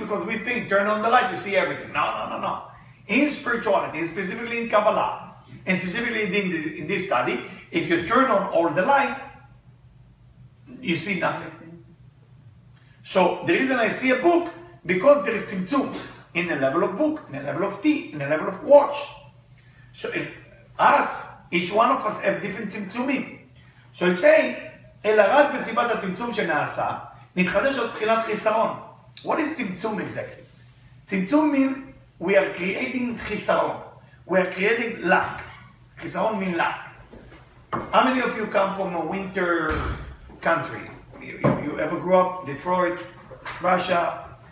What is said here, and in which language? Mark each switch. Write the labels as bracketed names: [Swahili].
[English] Because we think, turn on the light, you see everything. No. In spirituality, specifically in Kabbalah, and specifically in this study, if you turn on all the light, you see nothing. So the reason I see a book, because there is tzimtzum in the level of book, in the level of tea, in the level of watch. So if us, each one of us have different tzimtzumim. So it's saying, [Hebrew] אלא רק בסיבת הצמצום שנעשה, נתחדש עוד בחינת חיסרון. [English] What is tzimtzum exactly? Tzimtzum means we are creating chisaron. We are creating lack. Chisaron means lack. How many of you come from a winter country? You ever grew up Detroit, Russia?